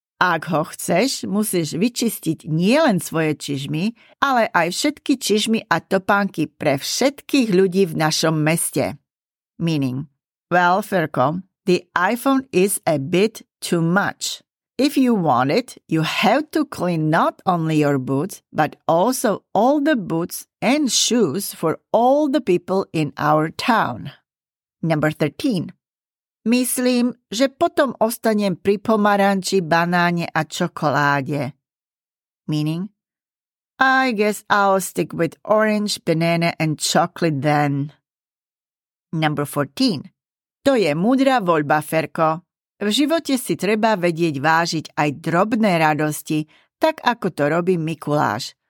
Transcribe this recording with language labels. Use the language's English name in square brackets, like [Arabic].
[Slovak] Ak ho chceš, musíš vyčistiť nielen svoje čižmy, ale aj všetky čižmy a topánky pre všetkých ľudí v našom meste. [English] Meaning, well, Ferko, the iPhone is a bit too much. If you want it, you have to clean not only your boots, but also all the boots and shoes for all the people in our town. Number 13. [Slovak] Myslím, že potom ostanem pri pomaranči, banáne a čokoláde. [English] Meaning, I guess I'll stick with orange, banana and chocolate then. Number 14. [Slovak] To je múdra voľba, Ferko. V živote si treba vedieť vážiť aj drobné radosti, tak ako to robí Mikuláš.